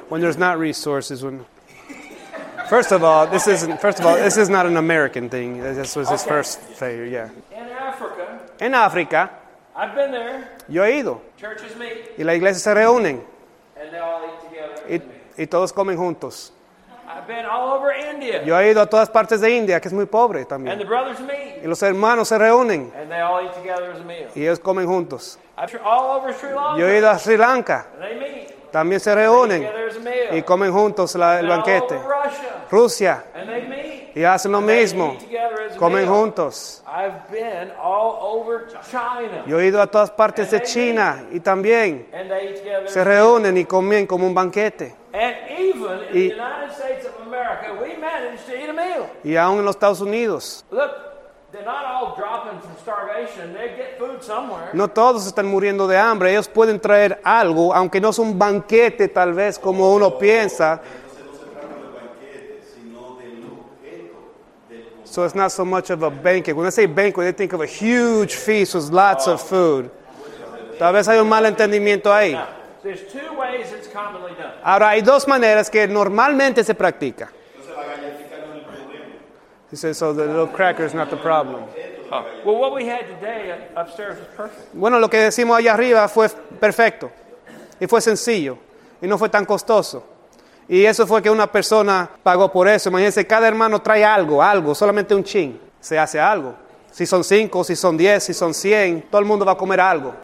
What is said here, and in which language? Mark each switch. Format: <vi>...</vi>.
<en>When there's not resources, when... First of all, this is not an American thing. This was his first failure, yeah. In Africa. I've been there.</en> <es>Yo he ido.</es> <en>Churches meet.</en> <es>Y la iglesia se reúnen.</es> <en>And they all eat together.</en> <es>Y todos comen juntos.</es> <en>I've been all over India.</en> <es>Yo he ido a todas partes de India, que es muy pobre también.</es> <en>And the brothers meet.</en> <es>Y los hermanos se reúnen.</es> <en>And they all eat together as a meal.</en> <es>Y ellos comen juntos.</es> <en>All over Sri Lanka.</en> <es>Yo he ido a Sri Lanka.</es> <en>And they meet.</en> <es>También se reúnen.</es> <en>They eat together as a meal.</en> <es>Y comen juntos el banquete.</es> <en>All over Russia.</en> <es>Rusia.</es> <en>And they meet.</en> <es>Y hacen lo mismo. Comen</es> <en>meal.</en> <es>Juntos.</es> <en>I've been all over China.</en> <es>Yo he ido a todas partes</es> <en>and</en> <es>de China.</es> <en>Meet.</en> <es>Y también se reúnen y comen como un banquete.</es> <en>And even in the United States of America, we managed to eat a meal.</en> <es>Y aún en los Estados Unidos.</es> <en>Look, they're not all dropping from starvation. They get food somewhere.</en> <es>No todos están muriendo de hambre. Ellos pueden traer algo, aunque no es un banquete tal vez como uno piensa.</es> <en>So it's not so much of a banquet. When I say banquet, they think of a huge feast with lots of food.</en> <es>Tal vez hay un malentendimiento ahí.</es> <en>There's two ways it's commonly done.</en> <es>Ahora, hay dos maneras que normalmente se practica.</es> <en>He says, so the little cracker is not the problem. Oh. Well, what we had today upstairs was perfect.</en> <es>Bueno, lo que decimos allá arriba fue perfecto. Y fue sencillo. Y no fue tan costoso. Y eso fue que una persona pagó por eso. Imagínense, cada hermano trae algo, solamente un chin. Se hace algo. Si son 5, si son 10, si son 100, todo el mundo va a comer algo.</es>